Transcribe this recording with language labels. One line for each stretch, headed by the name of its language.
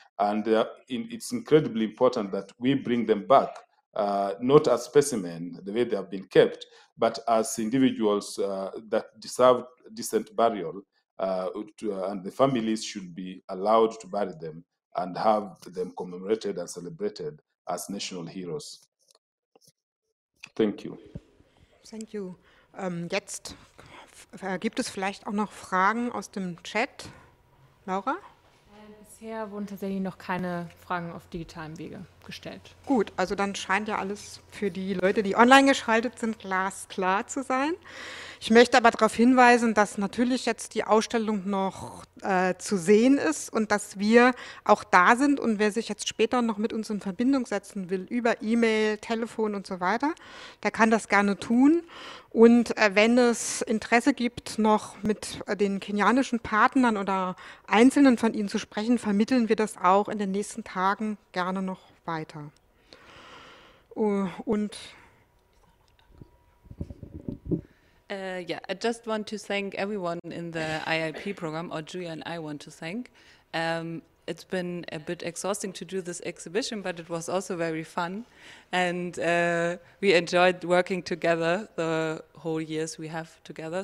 English: And it's incredibly important that we bring them back, not as specimen, the way they have been kept, but as individuals that deserve decent burial. And the families should be allowed to bury them and have them commemorated and celebrated as national heroes. Thank you. Thank you.
German: Jetzt gibt es vielleicht auch noch Fragen aus dem Chat. Laura? Bisher wurden tatsächlich noch keine Fragen auf digitalem Wege gestellt. Gut, also dann scheint ja alles für die Leute, die online geschaltet sind, glasklar zu sein. Ich möchte aber darauf hinweisen, dass natürlich jetzt die Ausstellung noch zu sehen ist und dass wir auch da sind. Und wer sich jetzt später noch mit uns in Verbindung setzen will, über E-Mail, Telefon und so weiter, der kann das gerne tun. Und wenn es Interesse gibt, noch mit den kenianischen Partnern oder Einzelnen von ihnen zu sprechen, vermitteln wir das auch in den nächsten Tagen gerne noch weiter. Und
English: Yeah, I just want to thank everyone in the IIP program, or Julia and I want to thank. it's been a bit exhausting to do this exhibition, but it was also very fun. And we enjoyed working together the whole years we have together.